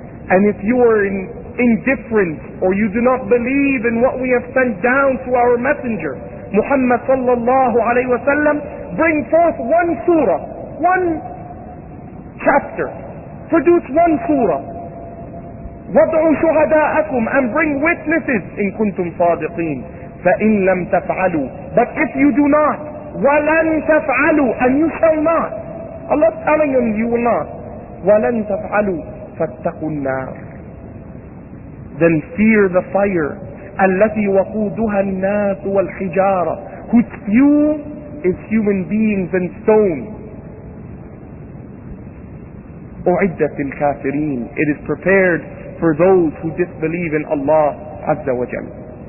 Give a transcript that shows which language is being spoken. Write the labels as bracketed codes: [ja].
[en] And if you are indifferent, or you do not believe in what we have sent down to our messenger Muhammad sallallahu alayhi wa sallam, bring forth one surah, one chapter, produce one surah. [ar] وَضْعُوا شُهَدَاءَكُمْ, [en] and bring witnesses. [ar] إِن كُنْتُمْ صَادِقِينَ. فإن لم تفعلوا. [en] But if you do not, [ar] ولن تفعلوا, [en] and you shall not. Allah is telling him, you will not. [ar] ولن تفعلوا فاتقوا النار. [en] Then fear the fire [ar] التي وقودها الناس والحجارة. [en] Whose fuel is human beings and stone. [ar] أعدت الكافرين. [en] It is prepared for those who disbelieve in Allah Azza wa Jalla.